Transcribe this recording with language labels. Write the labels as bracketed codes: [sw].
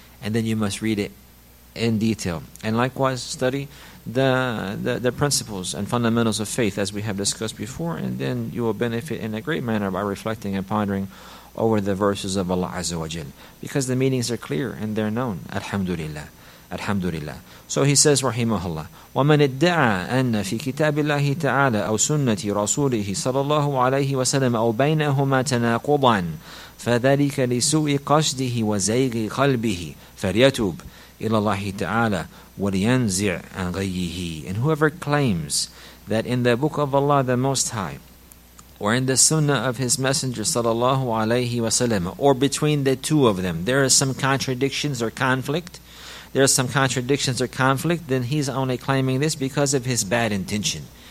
[en] And then you must read it in detail. And likewise, study the principles and fundamentals of faith, as we have discussed before. And then you will benefit in a great manner by reflecting and pondering over the verses of Allah Azza wa Jal. Because the meanings are clear and they're known. Alhamdulillah. Alhamdulillah. So he says, [ar] rahimahullah, وَمَنْ اِدَّعَ أَنَّ فِي كِتَابِ اللَّهِ تَعَالَى أَوْ سُنَّةِ رَسُولِهِ صَلَى اللَّهُ عَلَيْهِ وَسَلَمَ أَوْ بَيْنَهُمَا تَنَاقُضًا فَذَلِكَ لِسُوءِ قَصْدِهِ وَزَيْغِ قَلْبِهِ فَلْيَتُوبْ إِلَى اللَّهِ تَعَالَى وَلِيَنْزِعْ عَنْ غَيِّهِ. [en] And whoever claims that in the Book of Allah the Most High, or in the Sunnah of His Messenger sallallahu alayhi wa sallam, or between the two of them, there are some contradictions or conflict, there are some contradictions or conflict, then he's only claiming this because of his bad intention.